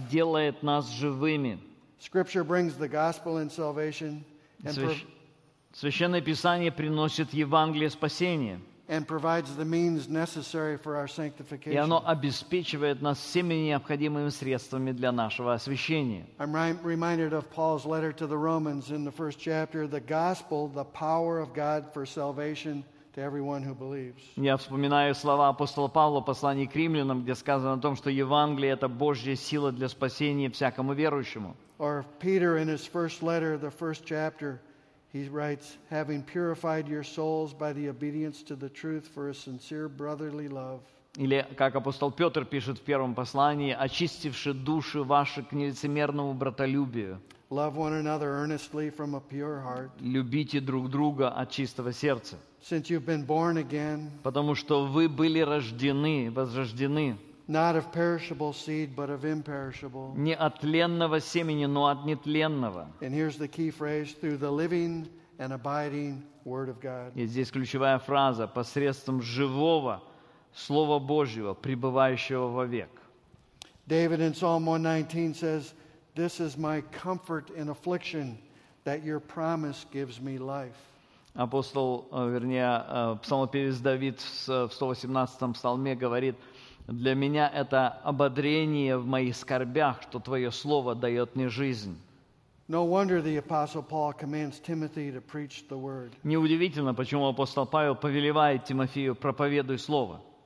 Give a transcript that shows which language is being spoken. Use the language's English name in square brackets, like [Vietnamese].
[Russian] Делает нас живыми. [English] Scripture brings the gospel and salvation and [Russian] Священное Писание приносит Евангелие спасения. [English] And provides the means necessary for our sanctification. [Russian] И оно обеспечивает нас всеми необходимыми средствами для нашего освящения. [English] I'm reminded of Paul's letter to the Romans in the first chapter, the gospel, the power of God for salvation to everyone who believes. [Russian] Я вспоминаю слова апостола Павла в послании к Римлянам, где сказано о том, что Евангелие это Божья сила для спасения всякому верующему. [English] Or Peter in his first letter, the first chapter. He writes, having purified your souls by the obedience to the truth for a sincere brotherly love. [Russian] Или как апостол Петр пишет в первом послании, очистивши души ваши к нелицемерному братолюбию. [English] Love one another earnestly from a pure heart. [Russian] Любите друг друга от чистого сердца. [English] Since you've been born again. [Russian] Потому что вы были рождены, возрождены. [English] Not of perishable seed, but of imperishable. [Russian] Не от тленного семени, но от нетленного. [English] And here's the key phrase: through the living and abiding Word of God. [Russian] И здесь ключевая фраза: посредством живого Слова Божьего, пребывающего вовек. [English] David in Psalm 119 says, "This is my comfort in affliction, that your promise gives me life." [Russian] Апостол, вернее, псалмопевец Давид в 118-м псалме говорит. Для меня это ободрение в моих скорбях, что Твое Слово дает мне жизнь. Неудивительно, почему апостол Павел повелевает Тимофею: проповедуй Слово.